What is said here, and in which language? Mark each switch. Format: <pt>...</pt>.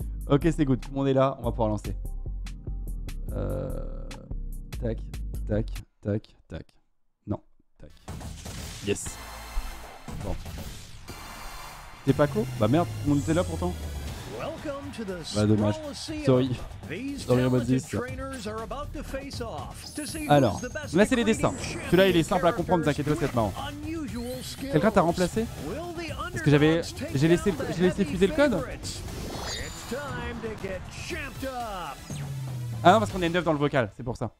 <fr>Ok, c'est good, tout le monde est là, on va pouvoir lancer. Tac, tac, tac, tac. Non, tac. Yes. Bon. T'es pas cool? Bah merde, tout le monde était là pourtant.</fr> <en>Welcome to the</en> <fr>bah, dommage.</fr> <en>Sorry. These talented trainers are about to face off to see</en> <fr>alors,</fr> <en>who's the best.</en> <fr>Alors, là c'est les dessins. Celui-là il est simple à comprendre, ne t'inquiète pas, c'est marrant. Quelqu'un t'a remplacé? Est-ce que j'ai laissé fuser le code?</fr> <en>It's time to get champed up.</en> <fr>Ah non, parce qu'on est 9 dans le vocal, c'est pour ça.</fr>